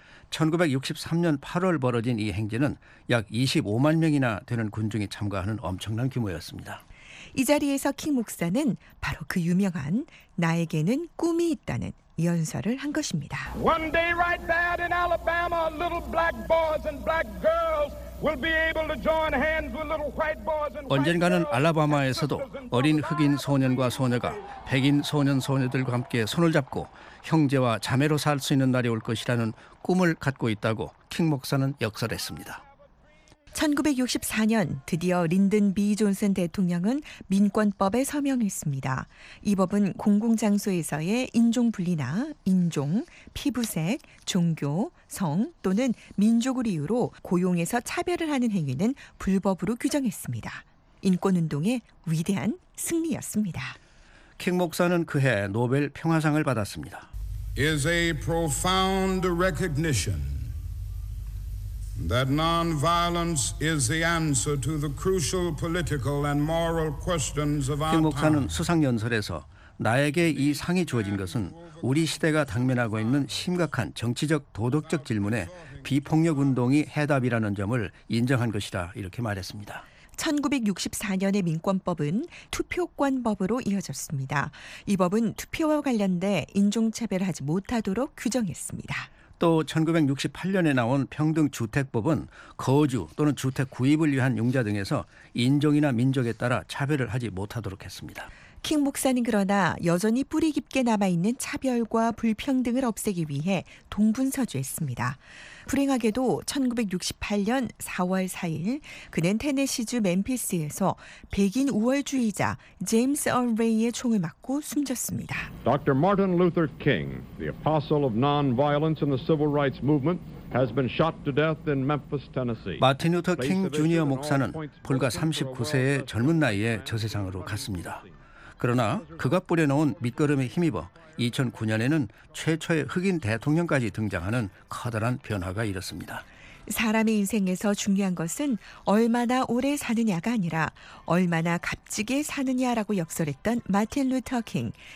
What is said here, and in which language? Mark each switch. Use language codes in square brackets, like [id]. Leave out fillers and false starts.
[ko] 1963년 8월 벌어진 이 행진은 약 25만 명이나 되는 군중이 참가하는 엄청난 규모였습니다. 이 자리에서 킹 목사는 바로 그 유명한 나에게는 꿈이 있다는 연설을 한 것입니다. [en] One day right there in Alabama, little black boys and black girls will be able to join hands with little white boys and white girls. [ko] 언젠가는 알라바마에서도 어린 흑인 소년과 소녀가 백인 소년 소녀들과 함께 손을 잡고 형제와 자매로 살 수 있는 날이 올 것이라는 꿈을 갖고 있다고 킹 목사는 역설했습니다. 1964년 드디어 린든 B. 존슨 대통령은 민권법에 서명했습니다. 이 법은 공공장소에서의 인종분리나 인종, 피부색, 종교, 성 또는 민족을 이유로 고용에서 차별을 하는 행위는 불법으로 규정했습니다. 인권운동의 위대한 승리였습니다. 킹 목사는 그해 노벨 평화상을 받았습니다. [en] Is a profound recognition. That non-violence is the answer to the crucial political and moral questions of our time. [ko] 킹 목사는 수상 연설에서 나에게 이 상이 주어진 것은 우리 시대가 당면하고 있는 심각한 정치적 도덕적 질문에 비폭력 운동이 해답이라는 점을 인정한 것이다 이렇게 말했습니다. 1964년의 민권법은 투표권법으로 이어졌습니다. 이 법은 투표와 관련돼 인종차별하지 못하도록 규정했습니다. 또 1968년에 나온 평등주택법은 거주 또는 주택 구입을 위한 용자 등에서 인종이나 민족에 따라 차별을 하지 못하도록 했습니다. 킹 목사는 그러나 여전히 뿌리 깊게 남아있는 차별과 불평등을 없애기 위해 동분서주했습니다. 불행하게도 1968년 4월 4일 그는 테네시주 멤피스에서 백인 우월주의자 제임스 얼 레이의 총을 맞고 숨졌습니다. [en] Dr. Martin Luther King, the apostle of non-violence in the civil rights movement. has been shot to death in Memphis, Tennessee. [ko] 마틴 루터 킹 주니어 목사는 불과 39세의 젊은 나이에 저 세상으로 갔습니다. 그러나 그가 뿌려놓은 밑거름에 힘입어 2009년에는 최초의 흑인 대통령까지 등장하는 커다란 변화가 일었습니다. 사람의 인생에서 중요한 것은 얼마나 오래 사느냐가 아니라 얼마나 값지게 사느냐라고 역설했던 마틴 루터 킹.